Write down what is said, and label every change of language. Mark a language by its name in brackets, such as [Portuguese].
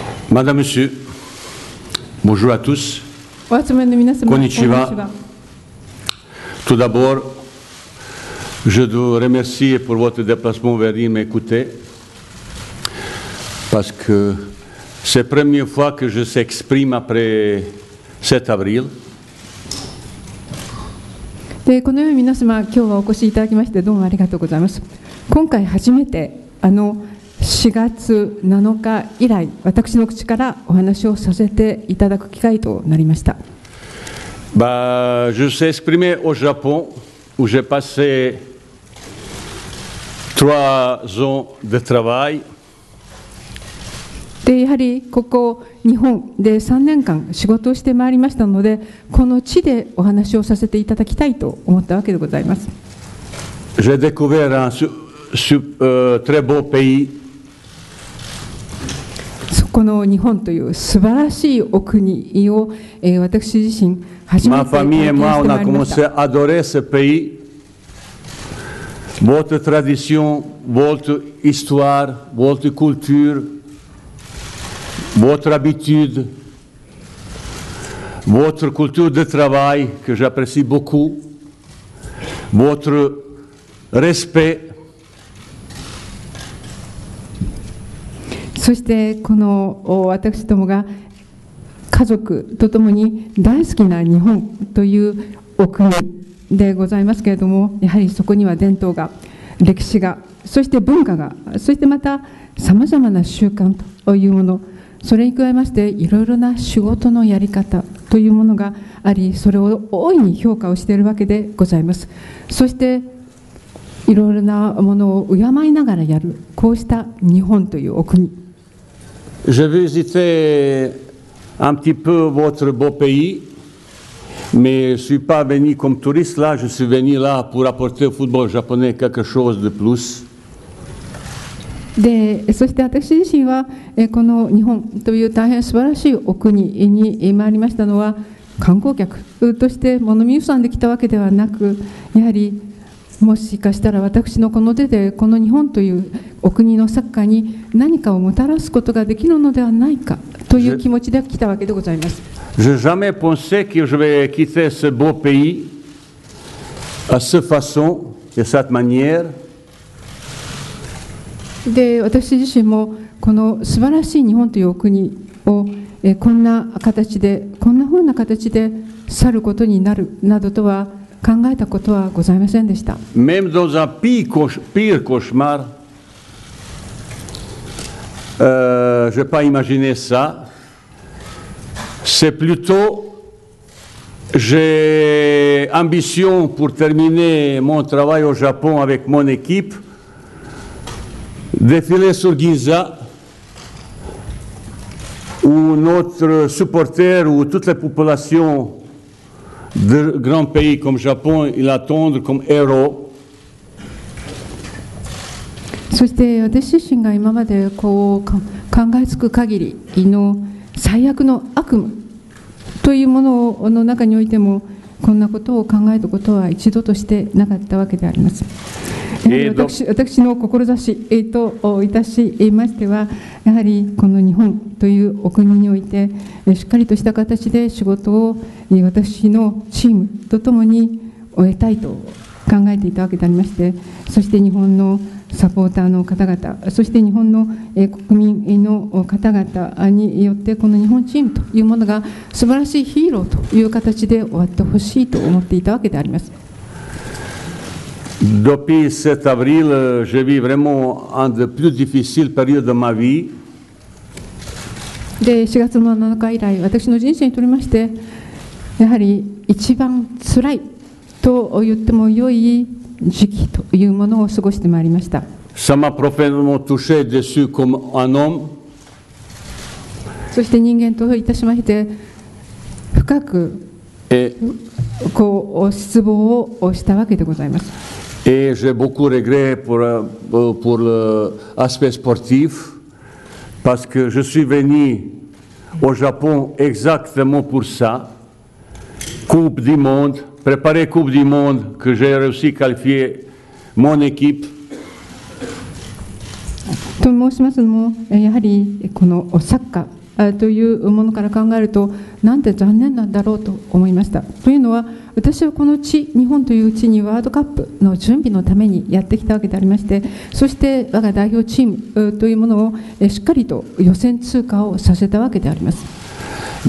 [French] Madame, Monsieur, bonjour à tous. [Japanese] Konnichiwa. [French] Tout d'abord, je dois remercier pour votre déplacement vers venir m'écouter, parce que c'est la première fois que je s'exprime après 7 avril. [Japanese] このように皆様今日はお越しいただきましてどうもありがとうございます。今回初めて4月7日以来私の口からお話をさせていただく機会となりました。 [French] Je s'ai exprimé au Japon où j'ai passé 3 ans de travail。 [Japanese] でやはりここ日本で3年間仕事をしてまいりましたので、この地でお話をさせていただきたいと思ったわけでございます。 [French] J'ai découvert un très beau pays。 [Japanese] そこの日本という素晴らしいお国を、私自身初めて経験してまいりました。 [French] Ma famille et moi on a votre tradition, votre histoire, votre culture. Votre habitude, votre culture de travail que j'apprécie beaucoup, votre respect. [Japanese] そしてこの私どもが家族とともに大好きな日本というお国でございますけれども、やはりそこには伝統が、歴史が、そして文化が、そしてまたさまざまな習慣というもの、それに加えましていろいろな仕事のやり方というものがあり、それを大いに評価をしているわけでございます。そしていろいろなものを敬いながらやる、こうした日本というお国。 [French] J'ai visité un petit peu votre beau pays, mais je suis pas venu comme touriste là, je suis venu là pour apporter au football japonais quelque chose de plus. [Japanese] でそして私自身はこの日本という大変素晴らしいお国に参りましたのは、観光客として物見遊山で来たわけではなく、やはりもしかしたら私のこの手でこの日本というお国のサッカーに何かをもたらすことができるのではないかという気持ちで来たわけでございます。 [French] Je n'ai jamais pensé que je vais quitter ce beau pays à cette façon et cette manière. [Japanese] で私自身もこの素晴らしい日本というお国をこんな形でこんなふうな形で去ることになるなどとは考えたことはございませんでした。 [French] Même dans un pire cauchemar, je n'ai pas imaginé ça. C'est plutôt, j'ai ambition pour terminer mon travail au Japon avec mon équipe, défiler sur Giza. Où notre supporter ou toute la population de grands pays comme Japon il attend comme héros. [Japanese] そして私自身が今までこう考えつく限りの最悪の悪夢というものの中においてもこんなことを考えたことは一度としてなかったわけであります。私の志といたしましてはやはりこの日本というお国においてしっかりとした形で仕事を私のチームとともに終えたいと考えていたわけでありましてそして日本のサポーターの方々そして日本の国民の方々によってこの日本チームというものが素晴らしいヒーローという形で終わってほしいと思っていたわけであります。 [French] Depuis cet avril, je vis vraiment un des plus difficiles périodes de ma vie. [Japanese] で、4月の7日以来、私の人生にとりまして、やはり一番辛いと言っても良い時期というものを過ごしてまいりました。 [French] Ça m'a profondément touché dessus comme un homme. [Japanese] そして人間といたしまして、深くこう失望をしたわけでございます。 [French] Et j'ai beaucoup regret pour l'aspect sportif parce que je suis venu au Japon exactement pour ça. Coupe du monde, préparer Coupe du monde que j'ai réussi à qualifier mon équipe. [Japanese] と申しますのもやはりこのサッカーというものから考えるとなんて残念なんだろうと思いました。というのは私はこの地日本という地にワールドカップの準備のためにやってきたわけでありましてそして我が代表チームというものをしっかりと予選通過をさせたわけであります。